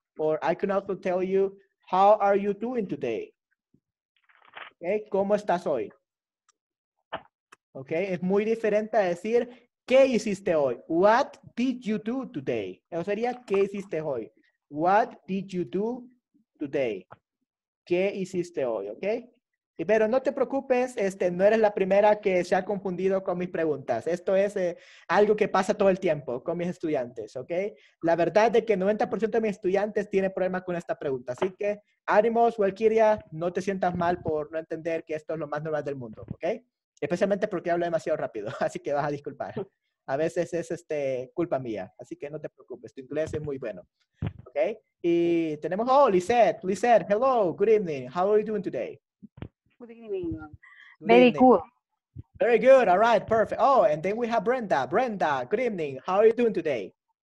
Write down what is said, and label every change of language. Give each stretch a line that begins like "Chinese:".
English: Or I can also tell you, how are you doing today?
Spanish: Okay, ¿cómo estás hoy? Okay, es muy diferente a decir, ¿qué hiciste hoy?
English: What did you do today?
Spanish: Eso sería, ¿qué hiciste hoy?
English: What did you do today?
Spanish: ¿Qué hiciste hoy?
English: Okay.
Spanish: Pero no te preocupes, no eres la primera que se ha confundido con mis preguntas. Esto es algo que pasa todo el tiempo con mis estudiantes, ¿ok? La verdad es que el 90% de mis estudiantes tiene problemas con esta pregunta. Así que, ánimos, Walkiria, no te sientas mal por no entender que esto es lo más normal del mundo, ¿ok? Especialmente porque hablo demasiado rápido, así que vas a disculpar. A veces es culpa mía, así que no te preocupes, tu inglés es muy bueno, ¿ok? Y tenemos,
English: oh, Lisette, hello, good evening, how are you doing today? Good evening. Good evening. Very good. Very good. All right. Perfect. Oh, and then we have Brenda. Brenda, good evening. How are you doing today?